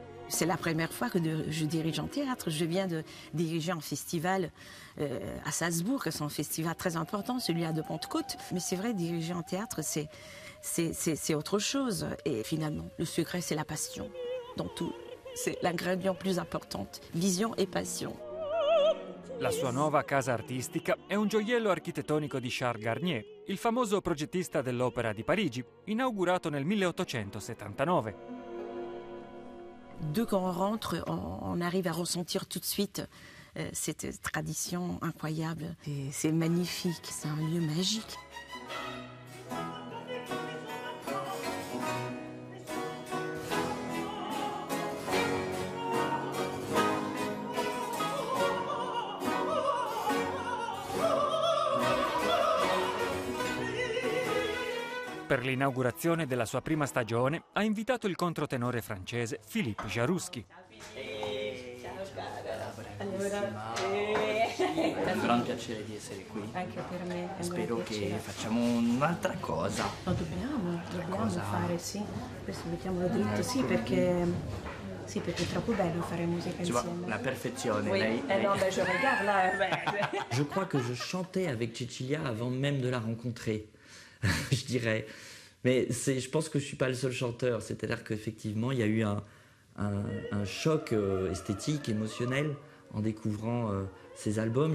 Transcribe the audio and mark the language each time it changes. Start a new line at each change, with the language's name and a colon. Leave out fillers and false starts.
French: C'est la première fois que je dirige un théâtre. Je viens de diriger un festival à Salzbourg. C'est un festival très important, celui-là de Pentecôte. Mais c'est vrai, diriger un théâtre, c'est autre chose. Et finalement, le secret, c'est la passion dans tout. C'est l'ingrédient plus important, vision et passion.
Italian: La sua nuova casa artistica è un gioiello architettonico di Charles Garnier, il famoso progettista dell'Opera di Parigi, inaugurato nel 1879.
French: Dès qu'on rentre, on arrive à ressentir tout de suite cette tradition incroyable. Et c'est magnifique, c'est un lieu magique.
Italian: Per l'inaugurazione della sua prima stagione ha invitato il controtenore francese Philippe Jaroussky. È un gran piacere di essere qui. Anche per me. Spero che facciamo un'altra cosa. Lo dobbiamo fare, sì. Questo mettiamolo dritto, sì, perché. Sì, perché è troppo bello fare musica insieme. La perfezione,
French: oui.
Italian: Lei.
French: Je regarde là. Je crois que je chantais avec Cecilia avant même de la rencontrer. Je dirais, mais c'est, je pense que je suis pas le seul chanteur, c'est-à-dire qu'effectivement il y a eu un choc esthétique, émotionnel en découvrant ces albums.